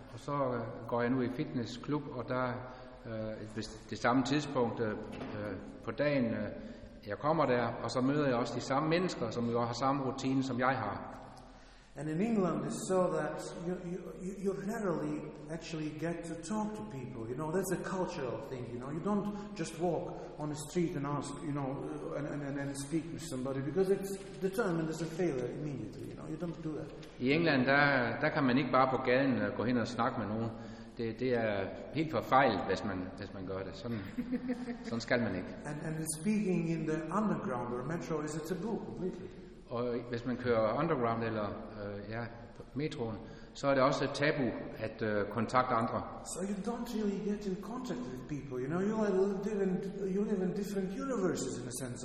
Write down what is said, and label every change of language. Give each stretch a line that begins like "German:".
Danish: Og så går jeg nu i fitnessklub, og der det samme tidspunkt på dagen, jeg kommer der, og så møder jeg også de samme mennesker, som jo har samme rutine som jeg har.
English: And in England it's so that you rarely actually get to talk to people, you know, that's a cultural thing, you know, you don't just walk on the street and ask, you know, and speak with somebody, because it's determined as a failure immediately, you know, you don't do that.
Danish: I England der kan man ikke bare på gaden gå hen og snakke med nogen, det er helt forfejlet, hvis man gør det, sådan skal man ikke.
English: And speaking in the underground or metro is a taboo completely.
Danish: Og hvis man kører underground eller metroen, så er det også et tabu at kontakte andre.
English: So you don't really get in contact with people, you know. You live in different universes in a sense.